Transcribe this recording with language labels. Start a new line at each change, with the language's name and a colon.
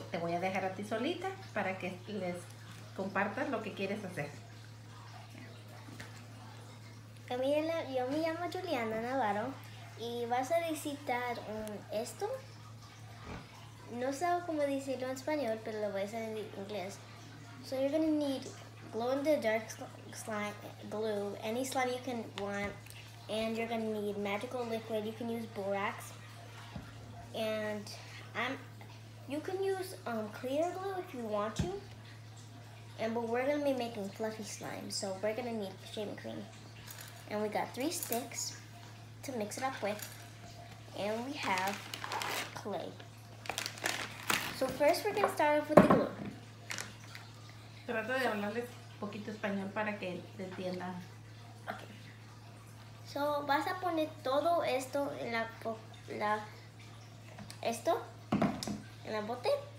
Spanish: te voy a dejar a ti solita para que les compartas lo que quieres hacer. Camila, yo me llamo Juliana Navarro y vas a visitar esto. No sé cómo decirlo en español, pero lo voy a hacer en inglés.
English: So you're going to need glow in the dark glue, any slime you can want. And you're gonna need magical liquid. You can use borax, and you can use clear glue if you want to. But we're gonna be making fluffy slime, so we're gonna need shaving cream. And we got 3 sticks to mix it up with, and we have clay. So first, we're gonna start off with the glue.
Spanish: Trato de hablarles poquito español para que entiendan.
English: So,
Spanish: vas a poner todo esto en la bote.